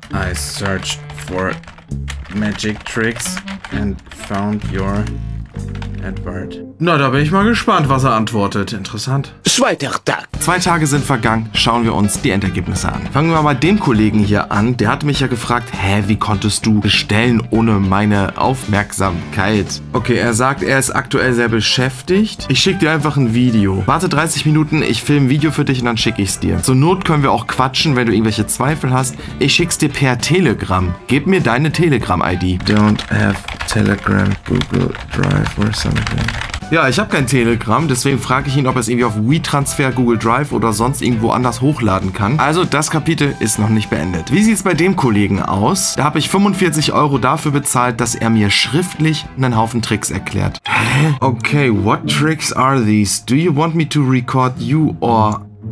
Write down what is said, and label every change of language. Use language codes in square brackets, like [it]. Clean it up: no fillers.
[en] I searched for magic tricks and found your advert. [de] Na, da bin ich mal gespannt, was er antwortet. Interessant. Zweiter Tag. 2 Tage sind vergangen. Schauen wir uns die Endergebnisse an. Fangen wir mal dem Kollegen hier an. Der hat mich ja gefragt, hä, wie konntest du bestellen ohne meine Aufmerksamkeit? Okay, er sagt, er ist aktuell sehr beschäftigt. Ich schicke dir einfach ein Video. Warte 30 Minuten, ich filme ein Video für dich und dann schicke ich es dir. Zur Not können wir auch quatschen, wenn du irgendwelche Zweifel hast. Ich schick's dir per Telegram. Gib mir deine Telegram-ID. [en] Don't have Telegram, Google Drive or something. [de] Ja, ich habe kein Telegram, deswegen frage ich ihn, ob er es irgendwie auf WeTransfer, Google Drive oder sonst irgendwo anders hochladen kann. Also, das Kapitel ist noch nicht beendet. Wie sieht's bei dem Kollegen aus? Da habe ich 45 Euro dafür bezahlt, dass er mir schriftlich einen Haufen Tricks erklärt. [en] Hä? Okay, what tricks are these? Do you want me to record you or...